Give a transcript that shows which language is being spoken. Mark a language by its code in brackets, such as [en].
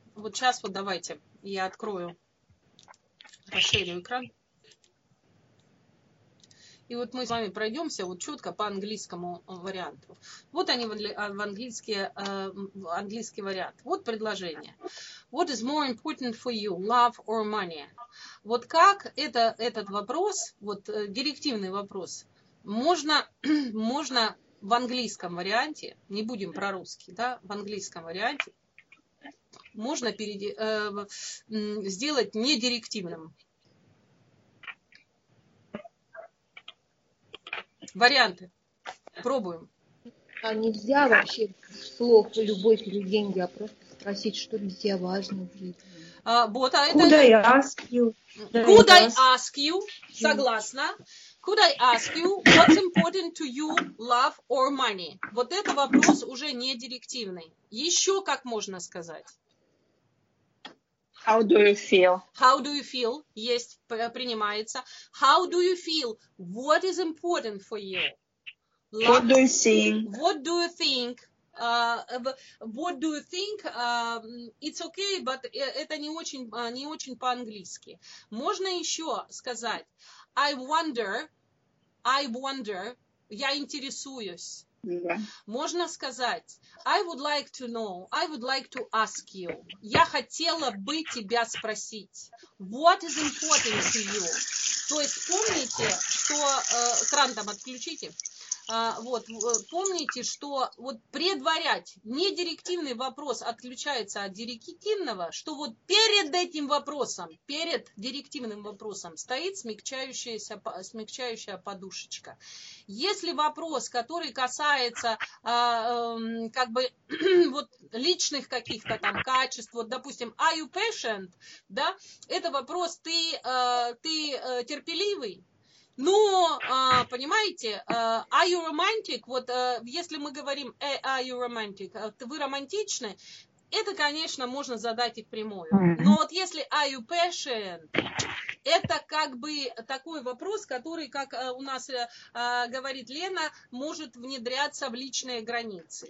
[ru] Вот сейчас вот давайте я открою, расширю экран. И вот мы с вами пройдемся вот четко по английскому варианту. Вот они английский вариант. Вот предложение. [en] What is more important for you, love or money? [ru] Вот как этот вопрос, вот директивный вопрос, можно в английском варианте, не будем про русский, да, в английском варианте, можно сделать недирективным. Варианты. Пробуем. А нельзя вообще слов любовь или деньги, а просто спросить, что для тебя важно. [en] Could I ask you? Could I ask you? [ru] Согласна. [en] Could I ask you what's important to you, love or money? [ru] Вот это вопрос уже не директивный. Еще как можно сказать? [en] How do you feel? How do you feel? [ru] Есть. Принимается. [en] How do you feel? What is important for you? What do you think? What do you think? What do you think? It's okay, but [ru] это не очень по-английски. Можно еще сказать. [en] I wonder. [ru] Я интересуюсь. Можно сказать, [en] I would like to know, I would like to ask you. [ru] Я хотела бы тебя спросить. [en] What is important to you? [ru] То есть помните, что... кран там отключите. Вот, помните, что вот предварять, не директивный вопрос отключается от директивного, что вот перед этим вопросом, перед директивным вопросом стоит смягчающая подушечка. Если вопрос, который касается как бы вот личных каких-то там качеств, вот допустим, [en] are you patient, [ru] да, это вопрос, ты терпеливый? Но, понимаете, [en] are you romantic? [ru] Вот если мы говорим [en] are you romantic, [ru] вы романтичны, это, конечно, можно задать и прямую. Но вот если [en] are you patient, [ru] это как бы такой вопрос, который, как у нас говорит Лена, может внедряться в личные границы.